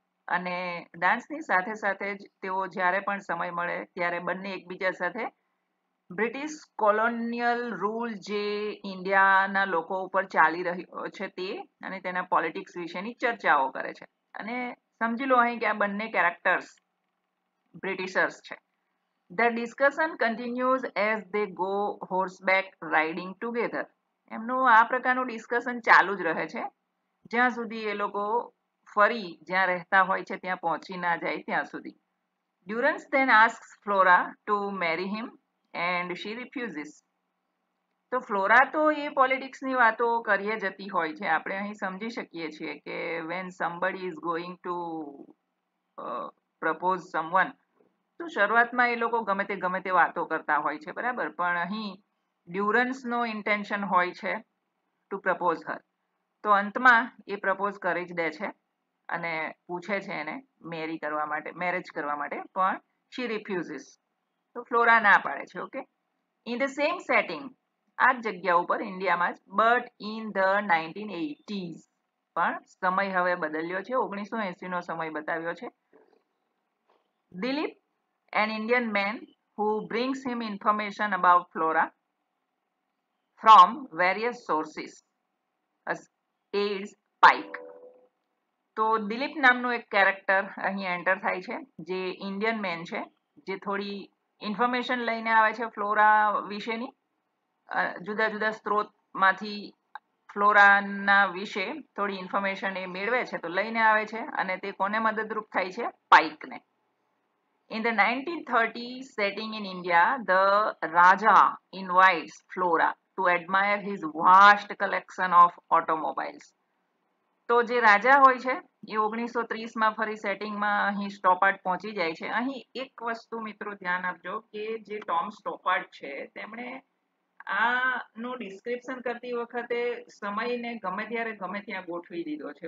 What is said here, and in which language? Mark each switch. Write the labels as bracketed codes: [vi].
[gu] અને ડાન્સની સાથે સાથે જ તેઓ જ્યારે પણ સમય મળે ત્યારે બંને એકબીજા સાથે બ્રિટિશ કોલોનિયલ રૂલ જે ઇન્ડિયાના લોકો ઉપર ચાલી રહ્યો છે તે અને તેના પોલિટિક્સ વિશેની ચર્ચાઓ કરે છે. અને સમજી લો અહીં કે આ બંને કેરેક્ટર્સ બ્રિટિશર્સ છે. [en] The discussion continues as they go horseback riding together. [gu] એમનો આ પ્રકારનો ડિસ્કશન ચાલુ જ રહે છે જ્યાં સુધી એ લોકો ફરી જ્યાં રહેતા હોય છે ત્યાં પહોંચી ના જાય ત્યાં સુધી. [en] Durrance then asks Flora to marry him and she refuses. [gu] તો ફ્લોરા તો એ પોલિટિક્સની વાતો કરીએ જતી હોય છે. આપણે અહીં સમજી શકીએ છીએ કે [en] when somebody is going to propose someone [gu] તો શરૂઆતમાં એ લોકો ગમે તે વાતો કરતા હોય છે. બરાબર, પણ અહીં ડ્યુરન્સનો ઇન્ટેન્શન હોય છે [en] To propose her. [gu] તો અંતમાં એ પ્રપોઝ કરી જ દે છે અને પૂછે છે એને મેરી કરવા માટે, મેરેજ કરવા માટે, પણ [en] She refuses. [gu] તો ફ્લોરા ના પાડે છે. Okay, [en] in the same setting, [gu] આ જ જગ્યા ઉપર ઇન્ડિયામાં જ, [en] But in the 1980s. [gu] પણ સમય હવે બદલ્યો છે, 1980 નો સમય બતાવ્યો છે. [en] Dilip, an Indian man who brings him information about Flora from various sources, as aids Pike. [gu] તો દિલીપ નામનો એક કેરેક્ટર અહીં એન્ટર થાય છે જે ઇન્ડિયન મેન છે જે થોડી ઇન્ફોર્મેશન લઈને આવે છે ફ્લોરા વિશેની. જુદા જુદા સ્ત્રોતમાંથી ફ્લોરાના વિશે થોડી ઇન્ફોર્મેશન એ મેળવે છે તો લઈને આવે છે અને તે કોને મદદરૂપ થાય છે? પાઇકને. [en] In the 1930s setting in India, the Raja invites Flora to admire his vast collection of automobiles. [gu] તો જે રાજા હોય છે એ 1930માં ફરી સેટિંગમાં અહીં સ્ટોપાર્ટ પહોંચી જાય છે. અહીં એક વસ્તુ મિત્રો ધ્યાન આપજો કે જે ટોમ સ્ટોપાર્ટ છે તેમણે આનું ડિસ્ક્રિપ્શન કરતી વખતે સમયને ગમે ત્યારે ગમે ત્યાં ગોઠવી દીધો છે.